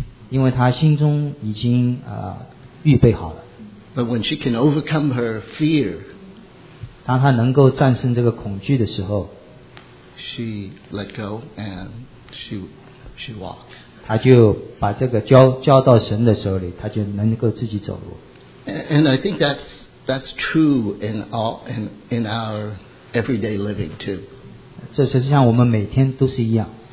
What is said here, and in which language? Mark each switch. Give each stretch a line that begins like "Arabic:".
Chinese: 因为她心中已经预备好了。
English: But when she can overcome her fear,
Chinese: 当她能够战胜这个恐惧的时候，
English: she let go and she walks.
Chinese: 她就把这个交到神的手里，她就能够自己走路。
English: And I think that's true in our everyday living too.
Chinese: 这实际上我们每天都是一样。